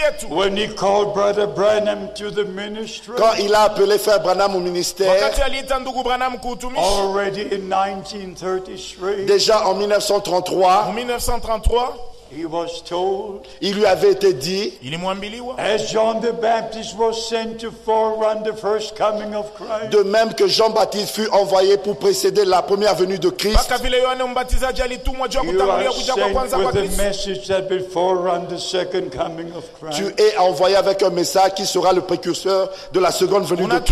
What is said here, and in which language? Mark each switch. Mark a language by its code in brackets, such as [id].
[en] When he called Brother Branham to the ministry. [fr] Quand il a appelé Frère Branham au ministère. [en] Already in 1933. [fr] Déjà en 1933, [en] he was told, [fr] il lui avait été dit, il est moins biliwa, [en] as John the Baptist was sent to forerun the first coming of Christ. [fr] De même que Jean-Baptiste fut envoyé pour précéder la première venue de Christ. [en] You are sent with a message that will forerun the second coming of Christ. [fr] Tu es envoyé avec un message qui sera le précurseur de la seconde venue de Christ.